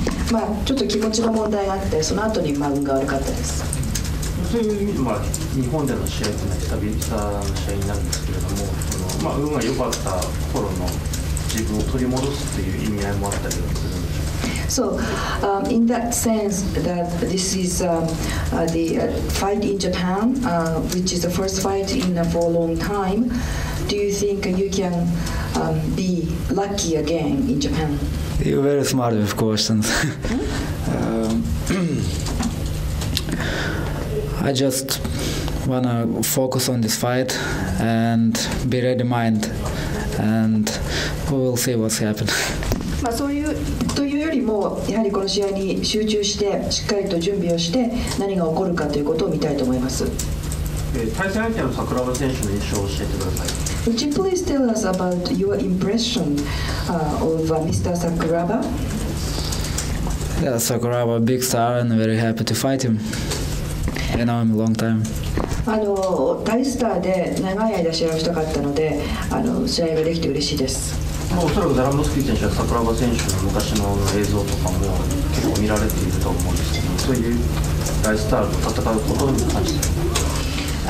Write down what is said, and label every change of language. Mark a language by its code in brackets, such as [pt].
[ja] まあちょっと気持ちの問題があって、その後にまあ運が悪かったです。そういう意味で、まあ、日本での試合というのは久々の試合になるんですけれども、その、まあ、運が良かった頃の自分を取り戻すという意味合いもあったりするんでしょうか。 [en] So, in that sense, that this is the fight in Japan, which is the first fight in for a long time. Do you think you can be lucky again in Japan? You're very smart with questions. I just want to focus on this fight and be ready mind. And we will see what's happened. [ja] まあそういうというよりも、やはりこの試合に集中して、しっかりと準備をして、何が起こるかということを見たいと思います。対戦相手の桜庭選手の印象を教えてください。 [en] Would you please tell us about your impression of Mr. Sakuraba? Yeah, Sakuraba, big star, and very happy to fight him. I know him a long time. [ja] あの大スターで長い間試合をしたかったので、あの試合ができて嬉しいです。まあおそらくザラモスキー選手は Sakuraba 選手の昔の映像とかも結構見られていると思うんですけど、そういう大スターと戦うことに関して。